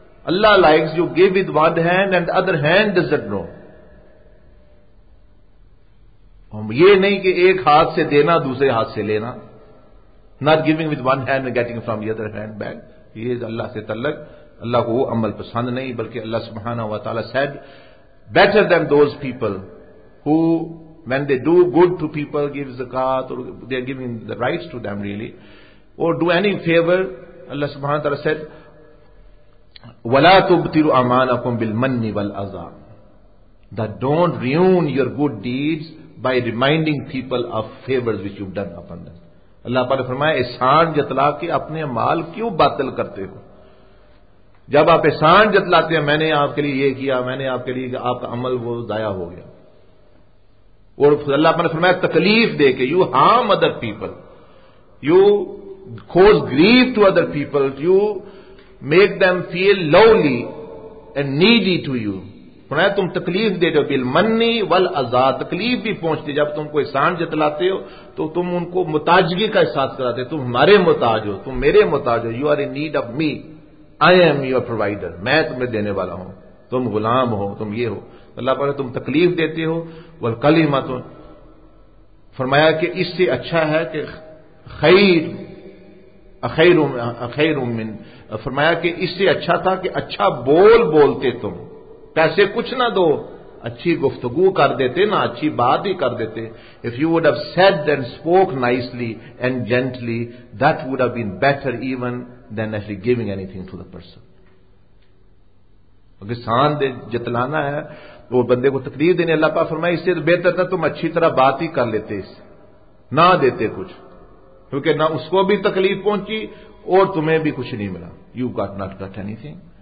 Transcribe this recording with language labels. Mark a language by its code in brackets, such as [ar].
[en] Allah likes you give with one hand and other hand does it know. [ur] یہ نہیں کہ ایک ہاتھ سے دینا دوسرے ہاتھ سے لینا, [en] not giving with one hand getting from the other hand back, [ur] یہ اللہ سے تعلق, اللہ کو وہ عمل پسند نہیں. بلکہ اللہ سبحانہ و تعالی sad [en] better than those people who when they do good to people give zakat or they are giving the rights to them really or do any favor, Allah subhanahu wa ta'ala said [ar] wala tubtiru amalakum bil manni wal aza, [en] that don't ruin your good deeds by reminding people of favors which you've done upon them. [ur] اللہ پاک نے فرمایا احسان جتلا کے اپنے مال کیوں باطل کرتے ہو؟ جب آپ احسان جتلاتے ہیں میں نے آپ کے لیے یہ کیا, میں نے آپ کے لیے, آپ کا عمل وہ ضائع ہو گیا. اور اللہ پاک نے فرمایا تکلیف دے کے, [en] You harm other people, you cause grief to other people, you make them feel lovely and needy to you. [ur] فرمایا تم تکلیف دیتے ہو, بالمنی والاذا, تکلیف بھی پہنچتی جب تم کو احسان جتلاتے ہو تو تم ان کو متاجگی کا احساس کراتے ہو, تم ہمارے محتاج ہو, تم میرے محتاج ہو, [en] you are in need of me, I am your provider, [ur] میں تمہیں دینے والا ہوں, تم غلام ہو, تم یہ ہو. اللہ پاک تم تکلیف دیتے ہو, والکلمۃ, فرمایا کہ اس سے اچھا ہے کہ خیر خیر خیر من, فرمایا کہ اس سے اچھا تھا کہ اچھا بول بولتے تم, پیسے کچھ نہ دو, اچھی گفتگو کر دیتے نا, اچھی بات ہی کر دیتے. [en] If you would have said and spoke nicely and gently, that would have been better even than actually giving anything to the person. [ur] اگر سان دے جتلانا ہے وہ بندے کو تکلیف دینے, اللہ پاک فرمائے اس سے بہتر تھا تم اچھی طرح بات ہی کر لیتے, اس نہ دیتے کچھ, کیونکہ نہ اس کو بھی تکلیف پہنچی اور تمہیں بھی کچھ نہیں ملا. [en] You got not got anything.